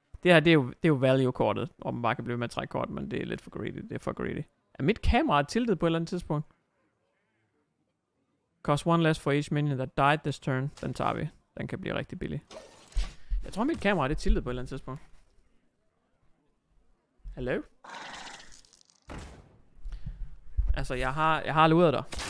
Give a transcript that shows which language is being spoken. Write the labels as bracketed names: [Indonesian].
[Danish] Det her, det er jo value-kortet. Om man bare kan blive med at trække kort, men det er lidt for greedy. Det er for greedy. Er mit kamera tiltet på et eller andet tidspunkt? [English] Cost one less for each minion that died this turn. [Danish] Den tager vi. Den kan blive rigtig billig. Jeg tror, mit kamera det er tiltet på et eller andet tidspunkt. [English] Hello? [Danish] Altså, jeg har luret dig.